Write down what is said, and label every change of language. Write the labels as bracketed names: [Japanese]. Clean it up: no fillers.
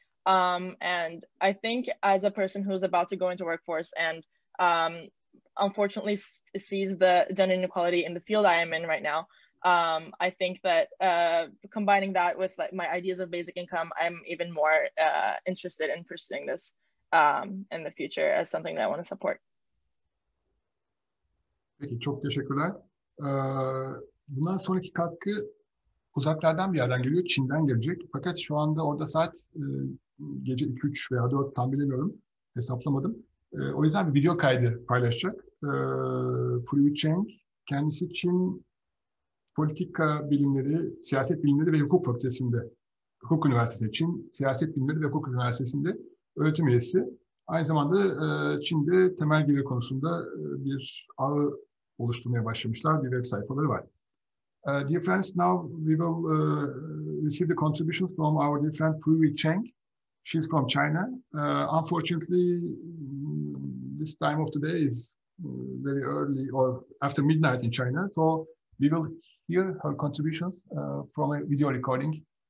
[English] And I think as a person who's about to go into workforce and unfortunately sees the gender inequality in the field I am in right now, I think that combining that with like my ideas of basic income, I'm even more interested in pursuing this in the future as something that I want to support. [Turkish] Peki, çok teşekkürler. Bundan sonraki katkı uzaklardan bir yerden geliyor, Çin'den gelecek. Fakat şu anda orada saat gece 2-3 veya 4 tam bilemiyorum, hesaplamadım. O yüzden bir video kaydı paylaşacak. Fuyu Cheng, kendisi Çin politika bilimleri, siyaset bilimleri ve hukuk fakültesinde, hukuk üniversitesi, Çin siyaset bilimleri ve hukuk üniversitesinde öğretim üyesi. Aynı zamanda Çin'de temel gelir konusunda bir ağ oluşturmaya başlamışlar, bir web sayfaları var. [English] Dear friends, now we will receive the contributions from our dear friend Fuyu Cheng. She's from China. Unfortunately, this time of the day is very early or after midnight in China. So we will hear her contributions from a video recording.